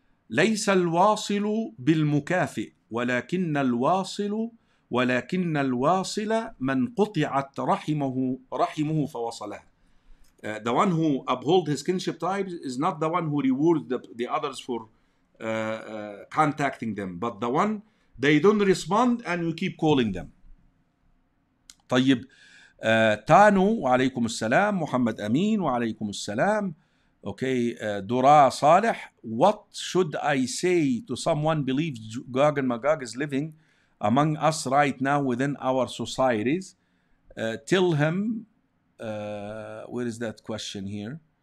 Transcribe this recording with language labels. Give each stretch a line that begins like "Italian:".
Arabic: ليس الواصل بالمكافئ ولكن الواصل ولكن الواصل من قطعت رحمه رحمه فوصله.
English: The one who upholds his kinship ties is not the one who rewards the others for contacting them, but the one they don't respond and you keep calling them.
Arabic: طيب تانو وعليكم السلام محمد أمين وعليكم السلام.
English: Okay, Dura Saleh, what should I say to someone believes Gog and Magog is living among us right now within our societies? Tell him, where is that question here?